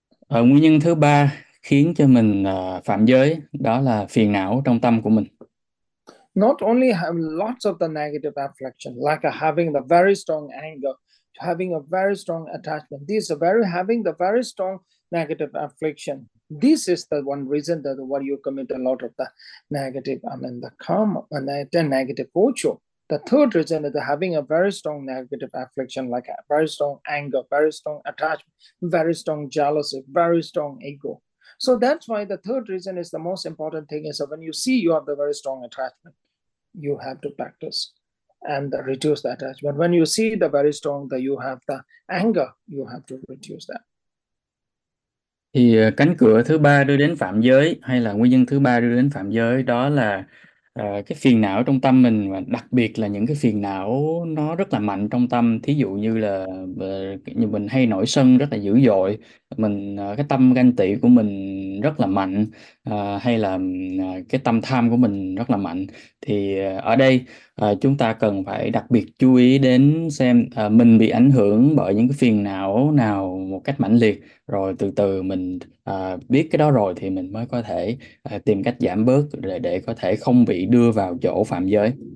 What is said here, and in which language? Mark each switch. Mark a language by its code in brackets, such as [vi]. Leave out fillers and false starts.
[vi] Nguyên nhân thứ ba khiến cho mình phạm giới đó là phiền não trong tâm của mình. [en] Not only have lots of the negative affliction, like having the very strong anger, having a very strong attachment. These are very having the very strong negative affliction. This is the one reason that what you commit a lot of the negative, I mean the karma and the negative culture. The third reason is having a very strong negative affliction, like a very strong anger, very strong attachment, very strong jealousy, very strong ego. So that's why the third reason is the most important thing is that when you see you have the very strong attachment, you have to practice and reduce the attachment. When you see the very strong that you have the anger, you have to reduce that. [vi] Thì cánh cửa thứ ba đưa đến phạm giới hay là nguyên nhân thứ ba đưa đến phạm giới đó là cái phiền não trong tâm mình, và đặc biệt là những cái phiền não nó rất là mạnh trong tâm, thí dụ như là như mình hay nổi sân rất là dữ dội, mình cái tâm ganh tị của mình rất là mạnh, hay là cái tâm tham của mình rất là mạnh, thì ở đây chúng ta cần phải đặc biệt chú ý đến xem mình bị ảnh hưởng bởi những cái phiền não nào một cách mãnh liệt, rồi từ từ mình biết cái đó rồi thì mình mới có thể tìm cách giảm bớt để có thể không bị đưa vào chỗ phạm giới.